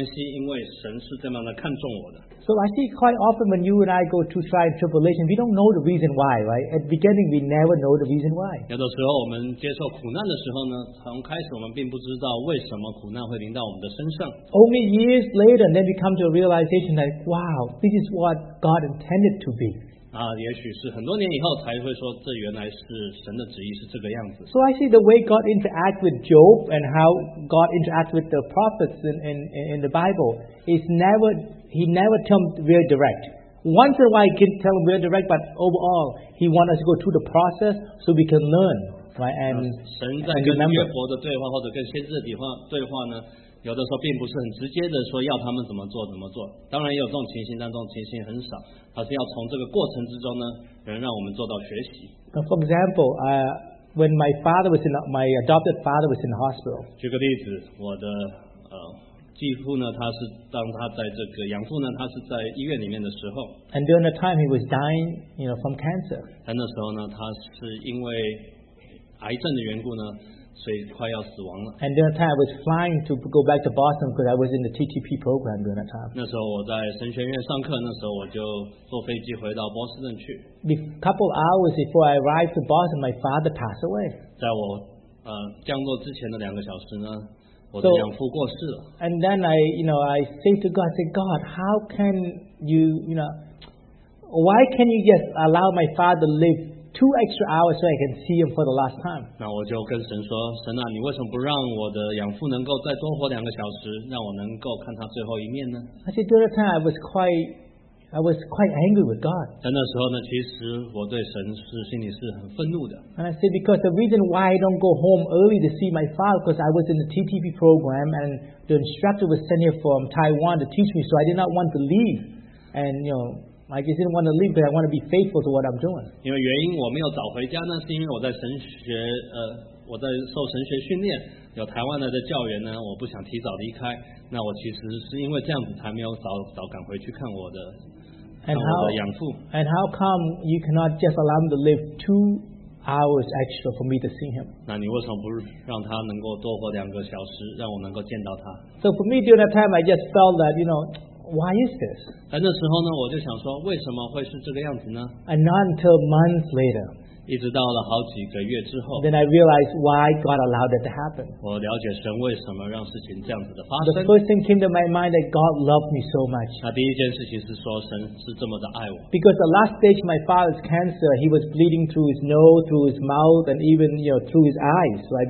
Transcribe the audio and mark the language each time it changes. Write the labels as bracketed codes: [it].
[en] So actually, quite often when you and I go through trial and tribulation, we don't know the reason why, right? At the beginning, we never know the reason why. [zh] 有的时候我们接受苦难的时候呢, 从开始我们并不知道为什么苦难会临到我们的身上。 [en] Only years later, and then we come to a realization that, wow, this is what God intended to be. [zh] 也许是很多年以后才会说这原来是神的旨意是这个样子。 [en] So I see the way God interacts with Job and how God interacts with the prophets in the Bible is never, he never tell them very direct. Once in a while he can tell them very direct, but overall he wants us to go through the process so we can learn, right? And [zh] 神在跟约伯的对话或者跟先知的对话呢, 有的时候并不是很直接的说要他们怎么做。当然也有这种情形，但这种情形很少。而是要从这个过程之中呢，能让我们做到学习。 [en] For example, when my father was in my adopted father was in the hospital. [zh] 举个例子，我的继父呢，他是在这个养父呢，他是在医院里面的时候。 [en] And during the time he was dying, you know, from cancer. [zh] 他那时候呢，他是因为癌症的缘故呢。所以快要死亡了。 [en] And during that time I was flying to go back to Boston because I was in the TTP program during that time. [zh] 那时候我在神学院上课, 那时候我就坐飞机回到波士顿去。 [en] A couple of hours before I arrived to Boston, my father passed away. [zh] 在我, 降落之前的两个小时呢, 我的养父过世了。 [en] So, and then I, you know, I say to God, I say, God, how can you, you know, why can you just allow my father to live two extra hours so I can see him for the last time. [zh] 那我就跟神说，神啊， 你为什么不让我的养父能够再多活两个小时， 让我能够看他最后一面呢？ [en] Actually, during that time, I was quite angry with God. [zh] 在那时候呢， 其实我对神是心里是很愤怒的。 [en] And I said, because the reason why I don't go home early to see my father, because I was in the TTP program and the instructor was sent here from Taiwan to teach me, so I did not want to leave. And, you know, I just didn't want to leave, but I want to be faithful to what I'm doing. [zh] 因为原因我没有早回家呢，是因为我在神学，我在受神学训练，有台湾来的教员呢，我不想提早离开。那我其实是因为这样子才没有早赶回去看我的养父。 [en] And how come you cannot just allow him to live 2 hours extra for me to see him? [zh] 那你为什么不让他能够多活两个小时，让我能够见到他？ [en] So for me during that time, I just felt that, you know, why is this? [zh] 但那时候呢, 我就想说, 为什么会是这个样子呢? [en] And not until months later, [zh] 一直到了好几个月之后, [en] then I realized why God allowed it to happen. [zh] 我了解神为什么让事情这样子的发生。 [en] The first thing came to my mind that God loved me so much. [zh] 那第一件事情是说神是这么的爱我。 [en] Because the last stage of my father's cancer, he was bleeding through his nose, through his mouth, and even, you know, through his eyes, right?